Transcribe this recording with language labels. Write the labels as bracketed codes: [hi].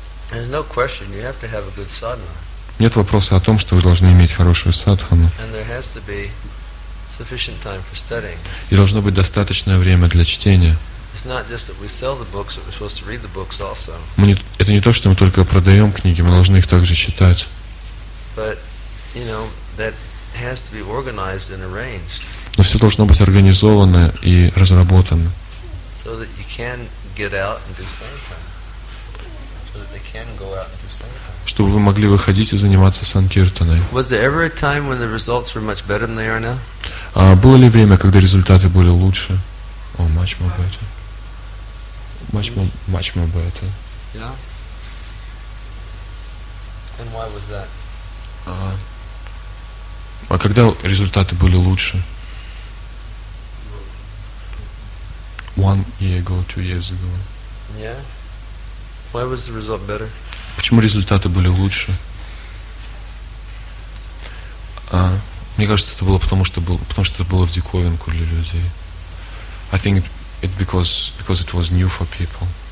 [en] There's no question you have to have a good sadhana. [ru] Нет вопроса о том, что вы должны иметь хорошую садхану. [en] And there has to be sufficient time for studying. [ru] И должно быть достаточное время для чтения. [en] It's not just that we sell the books, but we're supposed to read the books also. [ru] Это не то, что мы только продаем книги, мы должны их также читать. [en] But, you know, that has to be organized and arranged. [ru] Но все должно быть организовано и разработано. [en] So that you can get out and do sankirtan. So that they can go out and do sankirtan. [ru] Чтобы вы могли выходить и заниматься санкиртаной. [en] Was there ever a time when the results were much better than they are now? [ru] Было ли время, когда результаты были лучше? [en] Oh, much more better. Much more better. Yeah. And why was that? [ru] А когда результаты были лучше? [en] 1 year ago, 2 years ago. Yeah. Why was the result better? [ru] Почему результаты были лучше? Мне кажется, это было потому что это было в диковинку для людей. [en] I think it because it was new for people.